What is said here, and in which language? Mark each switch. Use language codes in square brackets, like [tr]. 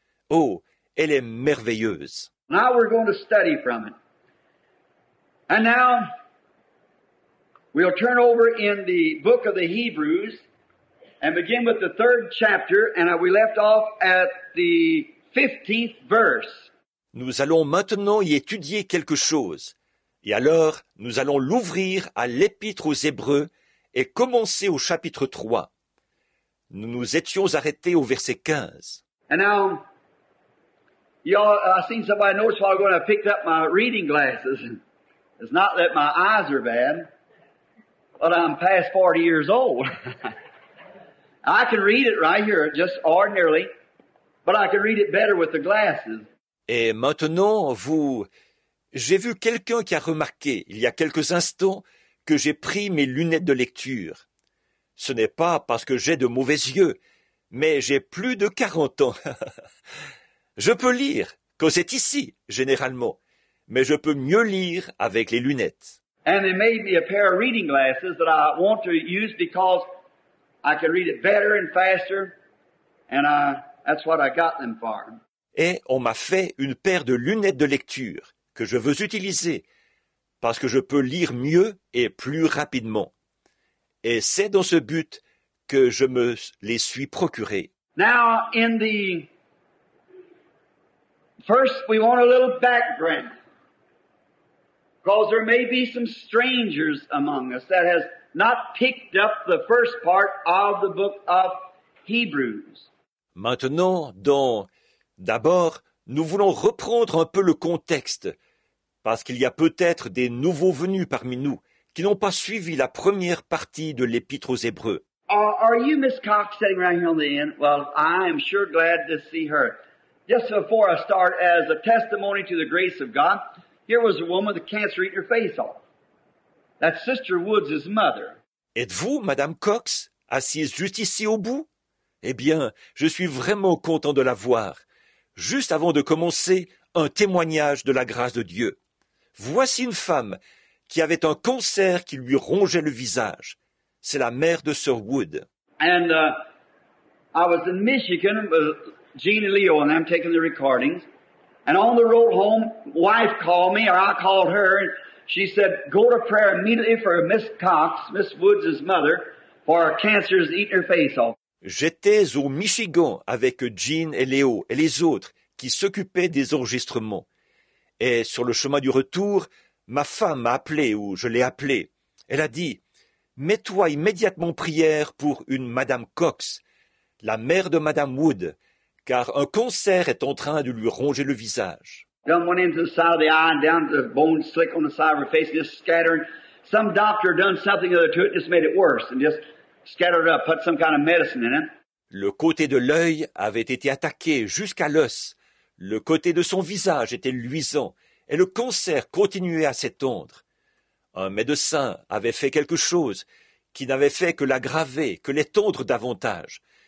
[fr] Oh, elle est merveilleuse. [en] Now we're going to study from it. And now, we'll turn over in the book of the Hebrews, and begin with the third chapter, and we left off at the 15th verse. [fr] Nous allons maintenant y étudier quelque chose. Et alors, nous allons l'ouvrir à l'Épître aux Hébreux et commencer au chapitre 3. Nous nous étions arrêtés au verset 15. [en] And now, y'all, I seen somebody notice while I'm going to pick up my reading glasses. It's not that my eyes are bad, but I'm past 40 years old. I can read it right here, just ordinarily, but I can read it better with the glasses. [fr] Et maintenant, vous... J'ai vu quelqu'un qui a remarqué, il y a quelques instants, que j'ai pris mes lunettes de lecture. Ce n'est pas parce que j'ai de mauvais yeux, mais j'ai plus de 40 ans. Je peux lire, quand c'est ici, généralement, mais je peux mieux lire avec les lunettes. [en] And they made me a pair of reading glasses that I want to use because I can read it better and faster, and that's what I got them for. [fr] Et on m'a fait une paire de lunettes de lecture que je veux utiliser parce que je peux lire mieux et plus rapidement. Et c'est dans ce but que je me les suis procurées. [en] Now, in the first, we want a little background, because there may be some strangers among us that has not picked up the first part of the book of Hebrews. [fr] Maintenant, d'abord, nous voulons reprendre un peu le contexte, parce qu'il y a peut-être des nouveaux venus parmi nous qui n'ont pas suivi la première partie de l'Épître aux Hébreux. [en] Are you Miss Cox sitting right here on the end? Well, I am sure glad to see her. Just before I start, as a testimony to the grace of God, here was a woman with cancer eating her face off. That's Sister Woods' mother. [fr] Êtes-vous, Madame Cox, assise juste ici au bout? Eh bien, je suis vraiment content de la voir. Juste avant de commencer, un témoignage de la grâce de Dieu. Voici une femme qui avait un cancer qui lui rongeait le visage. C'est la mère de Sir Wood. [en] And I was in Michigan with Jean and Leo, and I'm taking the recordings. And on the road home, wife called me, or I called her, and she said, go to prayer immediately for Miss Cox, Miss Woods' mother, for her cancer is eating her face off. [fr] J'étais au Michigan avec Jean et Léo et les autres qui s'occupaient des enregistrements. Et sur le chemin du retour, ma femme m'a appelé, ou je l'ai appelée. Elle a dit, mets-toi immédiatement prière pour une Madame Cox, la mère de Madame Wood, car un cancer est en train de lui ronger le visage. [en] Done went into the side of the eye and down to the bone slick on the side of her face, just scattering. Some doctor done something other to it, just made it worse, and just scattered it up, put some kind of medicine in it. [fr] Le côté de l'œil avait été attaqué jusqu'à l'os. Le côté de son visage était luisant et le cancer continuait à s'étendre. Un médecin avait fait quelque chose qui n'avait fait que l'aggraver, que l'étendre davantage.